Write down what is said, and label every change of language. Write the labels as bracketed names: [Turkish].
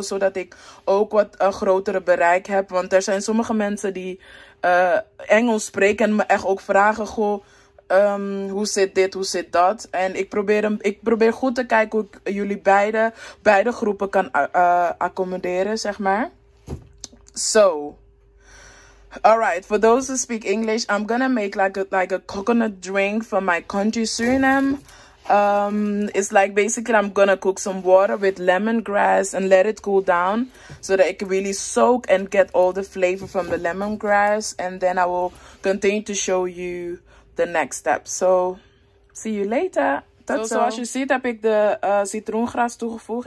[Dutch] Zodat ik ook wat grotere bereik heb. Want er zijn sommige mensen die Engels spreken en me echt ook vragen. Goh, hoe zit dit, hoe zit dat? En ik probeer goed te kijken hoe ik jullie beide groepen kan accommoderen, zeg maar. [English] So, alright, for those who speak English, I'm gonna make like a coconut drink from my country, Suriname. It's like basically I'm gonna cook some water with lemongrass and let it cool down so that it can really soak and get all the flavor from the lemongrass. And then I will continue to show you the next step. So, see you later. [Dutch] Zoals je ziet heb ik de citroengras toegevoegd.